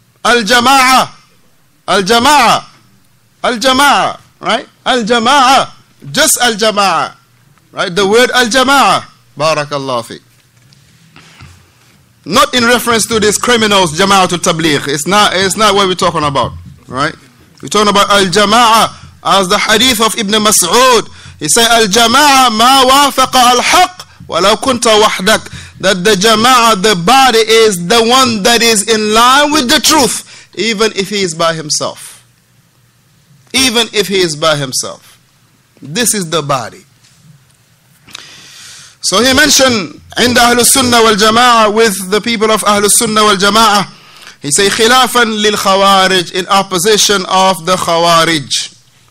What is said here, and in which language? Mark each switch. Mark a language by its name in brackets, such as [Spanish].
[Arabic] الجماعة, الجماعة, الجماعة, [English] right? [Arabic] الجماعة, [English] just [Arabic] الجماعة, [English] right? The word [Arabic] الجماعة, بارك الله فيك. [English] Not in reference to these criminals, [Arabic] جماعة التبليغ. [English] It's not what we're talking about, right? We're talking about الجماعة, as the hadith of Ibn Mas'ud. He said, [Arabic] الجماعة ما وافق الحق ولو كنت وحدك. [English] That the jama'ah, the body, is the one that is in line with the truth, even if he is by himself. Even if he is by himself. This is the body. So he mentioned, [Arabic] عند أهل السنة والجماعه, [English] with the people of [Arabic] أهل السنة والجماعه, [English] he say, [Arabic] خلافا للخوارج, [English] in opposition of the خوارج.